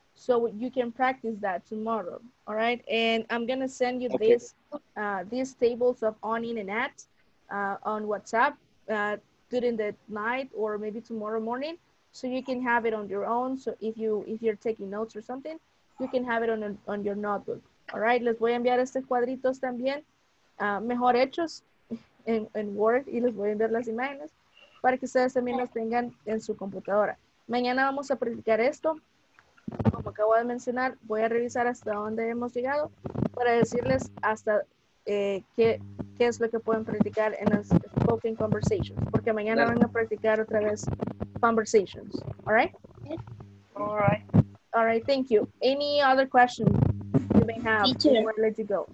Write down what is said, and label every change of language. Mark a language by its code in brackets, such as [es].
[en] So you can practice that tomorrow. All right. And I'm going to send you these tables of on, in, and at on WhatsApp during the night or maybe tomorrow morning. So you can have it on your own. So if you're taking notes or something, you can have it on your notebook. [es] All right. Les voy a enviar estos cuadritos también. Mejor hechos en Word y les voy a enviar las imágenes para que ustedes también las tengan en su computadora. Mañana vamos a practicar esto. Como acabo de mencionar, voy a revisar hasta dónde hemos llegado para decirles hasta qué es lo que pueden practicar en las [en] spoken conversations, [es] porque mañana van a practicar otra vez conversations. [en] All right? All right. All right, thank you. Any other question you may have before I let you go?